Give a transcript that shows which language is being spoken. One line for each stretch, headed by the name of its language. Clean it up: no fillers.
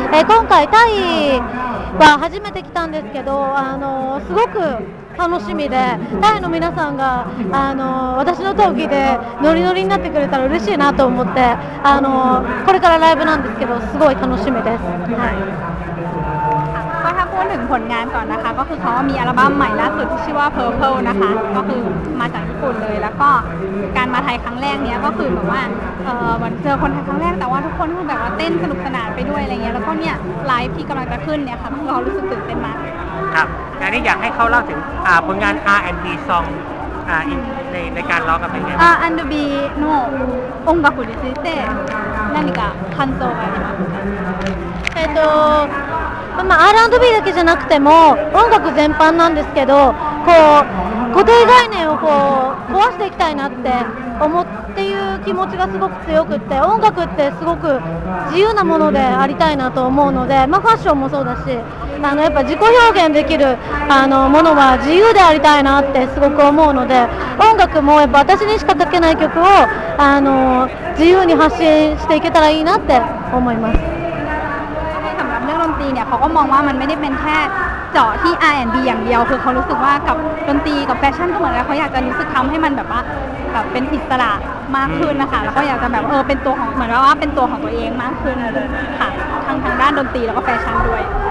Japanese: 今回タイは初めて来たんですけど、すごく楽しみで、タイの皆さんが、私の陶器でノリノリになってくれたら嬉しいなと思って、これからライブなんですけど、すごい楽しみです。
Thai: はい。ถ้าพูดถึงผลงานก่อนนะคะก็คือเขามีอัลบั้มใหม่ล่าสุดที่ชื่อว่า Purple นะคะก็คือมาจากญี่ปุ่นเลยแล้วก็การมาไทยครั้งแรกเนี้ยก็คือแบบว่าเหมือนเจอคนไทยครั้งแรกแต่ว่าทุกคนก็แบบว่าเต้นสนุกสนานไปด้วยอะไรเงี้ยแล้วก็เนี่ยไลฟ์ที่กำลังจะขึ้นเนี่ยค่ะเรารู้สึกตื่นเต้นมาก ครับอันนี้อยากให้เขาเล่าถึงผลงาน R&B song ในการร้องกับเป็นไงบ้ าง
Japanese: R&B の音楽について何か感想がありますか R&B だけじゃなくても音楽全般なんですけどこう固定概念をこう壊していきたいなって思うっていう気持ちがすごく強くって音楽ってすごく自由なものでありたいなと思うので、まあ、ファッションもそうだしあのやっぱ自己表現できるあのものは自由でありたいなってすごく思うので音楽もやっぱ私にしか書けない曲をあの自由に発信していけたらいいなって思います
Thai: เขาก็มองว่ามันไม่ได้เป็นแค่เจาะที่ R&B อย่างเดียวคือเขารู้สึกว่ากับดนตรีกับแฟชั่นก็เหมือนกันเขาอยากจะรู้สึกทำให้มันแบบว่าแบบเป็นอิสระมากขึ้นนะคะแล้วก็อยากจะแบบเป็นตัวของเหมือนว่าเป็นตัวของตัวเองมากขึ้นค่ะทางด้านดนตรีแล้วก็แฟชั่นด้วย